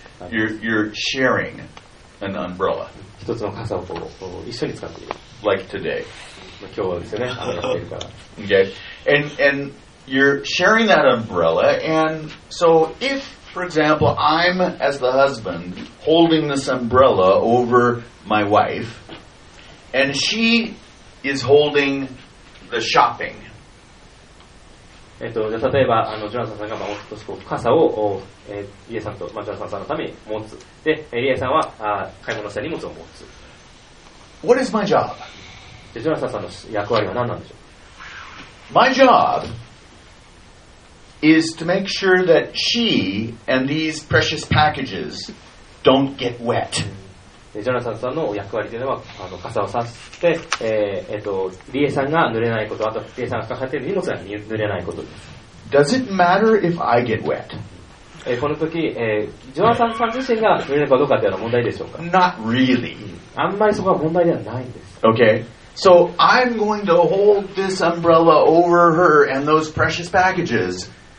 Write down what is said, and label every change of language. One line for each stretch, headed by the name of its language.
English: You're sharing an umbrella.
Japanese: 一つの傘をこう一緒に使っている。
English: Like today.
Japanese: 今日はですね、雨が降っているから。
English: Okay. And You're sharing that umbrella, and so if, for example, I'm as the husband holding this umbrella over my wife, and she is holding the shopping.
Japanese: 例えば、ジョナサンさんが、まあ、少しこう傘を、リエさんと、まあ、ジョナサンさんのために持つ。で、リエさんは、買い物した荷物を持つ。
English: What is my job?
Japanese: ジョナサンさんの役割は何なんでしょう。
English: My job. Is to make sure that she and these precious packages don't get wet.
Japanese: ジョナサンさんの役割というのは傘をさして、リエさんが濡れないこと、あとリエさんが抱えている荷物が濡れないことです。
English: Does it matter if I get wet?
Japanese: この時、ジョナサンさん自身が濡れるかどうかというのは問題でしょうか。
English: Not really.
Japanese: あんまりそこは問題ではないんです。
English: Okay. So I'm going to hold this umbrella over her and those precious packages